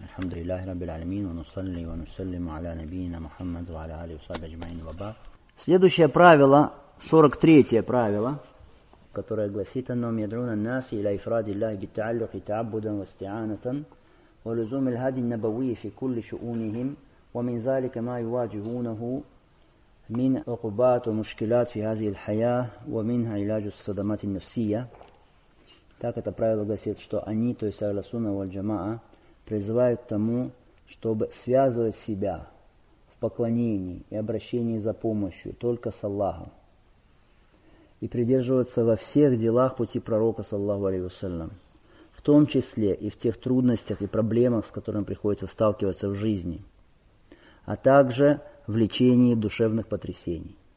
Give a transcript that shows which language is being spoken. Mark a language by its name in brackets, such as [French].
[Arabic] الحمد لله رب العالمين ونصلي ونسلم على نبينا محمد وعلى آله وصحبه أجمعين وبعد. [Russian] Следующее правило, 43-е правило, которое гласит: [Arabic] أنهم يدعون الناس إلى إفراد الله بالتعلق تعبدا واستعانة ولزوم الهدي النبوي في كل شؤونهم ومن ذلك ما يواجهونه من عقوبات ومشكلات في هذه الحياة ومنها علاج الصدمات النفسية. [Russian] Так это правило гласит, что они, то есть Аль-Сунна валь-Джамаа, призывают к тому, чтобы связывать себя в поклонении и обращении за помощью только с Аллахом и придерживаться во всех делах пути пророка, саллаху алейхи ва саллям, в том числе и в тех трудностях и проблемах, с которыми приходится сталкиваться в жизни, а также в лечении душевных потрясений.